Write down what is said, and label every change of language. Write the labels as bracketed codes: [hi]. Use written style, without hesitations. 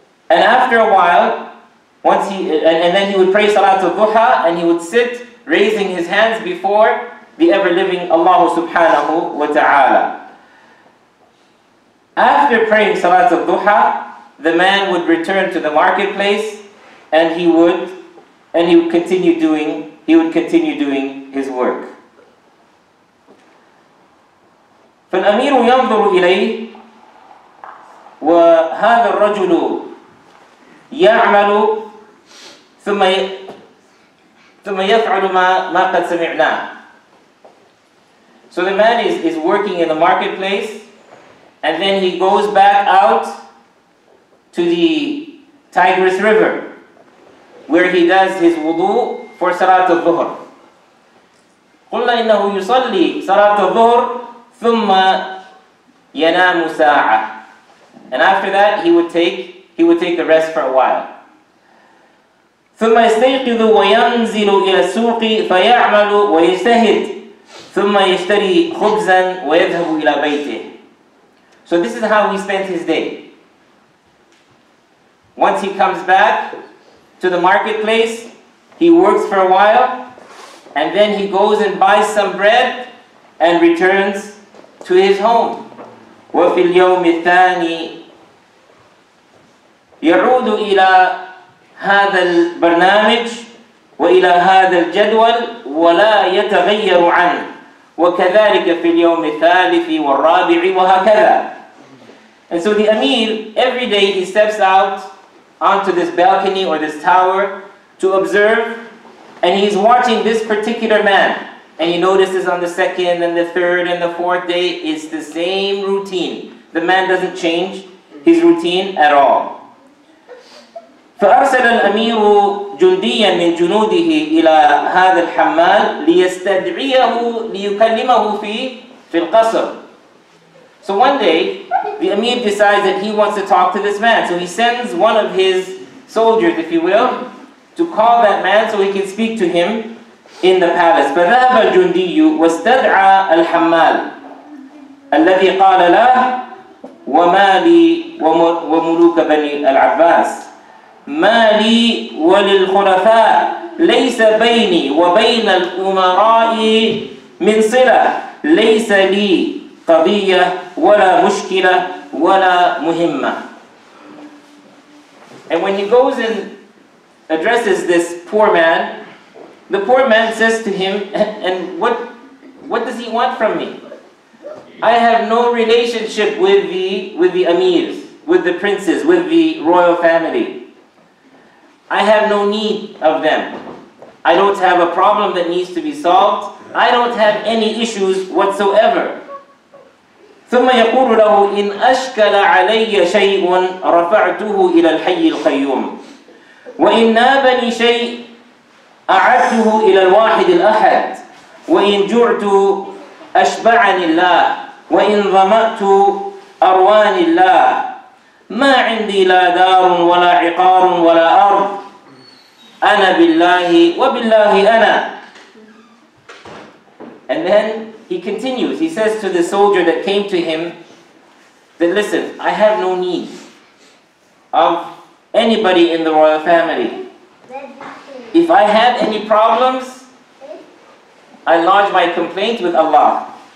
[en] And after a while, then he would pray Salatul Duha, and he would sit raising his hands before the ever-living Allah subhanahu wa ta'ala. After praying Salatul Duha, the man would return to the marketplace, and he would continue doing his work. [ar] فالأمير ينظر إليه وهذا الرجل يعمل ثم يفعل ما قد سمعنا. [en] So the man is working in the marketplace, and then he goes back out to the Tigris River, where he does his wudu for Salat al-Dhuhr. [ar] قلنا إنه يصلي Salat al-Dhuhr ثم ينام ساعة. [en] And after that, he would take a rest for a while. [ar] ثم يستيقظ وينزل إلى السوق فيعمل ويجتهد ثم يشتري خبزا ويذهب إلى بيته. [en] So this is how he spent his day. Once he comes back to the marketplace, he works for a while, and then he goes and buys some bread and returns to his home. [ar] وفي اليوم الثاني يعود إلى هذا البرنامج وإلى هذا الجدول ولا يتغير عنه وكذلك في اليوم الثالث والرابع وهكذا. [en] And so the Amir, every day he steps out onto this balcony or this tower to observe, and he's watching this particular man. And he notices on the second and the third and the fourth day, it's the same routine. The man doesn't change his routine at all. [ar] فأرسل الأمير جنديا من جنوده إلى هذا الحمال ليستدعيه ليكلمه في القصر. [en] So one day, the Amir decides that he wants to talk to this man. So he sends one of his soldiers, if you will, to call that man so he can speak to him in the palace. [ar] فذهب الجندي واستدعى الحمال الذي قال له ومالي وملوك بني العباس مالي وللخلفاء ليس بيني وبين الأمراء من صلة ليس لي قضية ولا مشكلة ولا مهمة. [en] And when he goes and addresses this poor man, the poor man says to him, and what does he want from me? I have no relationship with the emirs, with the princes, with the royal family. I have no need of them. I don't have a problem that needs to be solved. I don't have any issues whatsoever. [ar] ثم يقول له إن أشكل علي شيء رفعته إلى الحي القيوم وإن نابني شيء أعدته إلى الواحد الأحد وإن جعت أشبعني الله وإن ظمأت أرواني الله ما عندي لا دار ولا عقار ولا أرض أنا بالله وبالله أنا. [en] And then he continues, he says to the soldier that came to him that, listen, I have no need of anybody in the royal family. If I have any problems, I lodge my complaint with Allah.